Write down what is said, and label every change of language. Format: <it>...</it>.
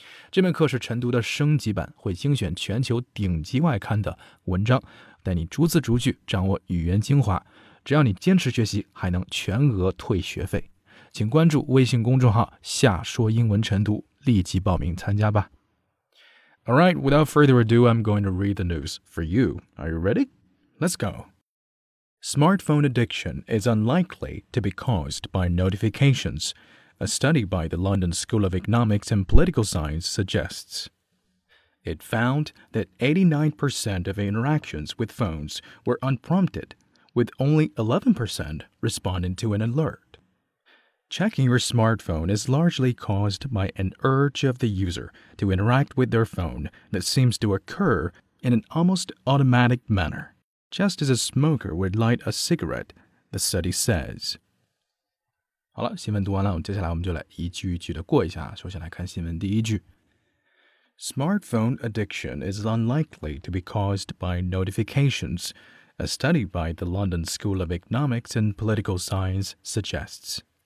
<zh>这门课是晨读的升级版，会精选全球顶级外刊的文章，带你逐字逐句掌握语言精华，只要你坚持学习还能全额退学费。请关注微信公众号夏说英文晨读，立即报名参加吧。</zh> <en>Alright, without further ado, I'm going to read the news for you. Are you ready? Let's go. Smartphone addiction is unlikely to be caused by notifications. A study by the London School of Economics and Political Science suggests. It found that 89% of interactions with phones were unprompted, with only 11% responding to an alert. Checking your smartphone is largely caused by an urge of the user to interact with their phone that seems to occur in an almost automatic manner, just as a smoker would light a cigarette, the study says.</en> <zh>好了，新闻读完了，我们接下来我们就来一句一句的过一下。首先来看新闻第一句。</zh> <en>Smartphone addiction is unlikely to be caused by notifications, a study by the London School of Economics and Political Science suggests.</en>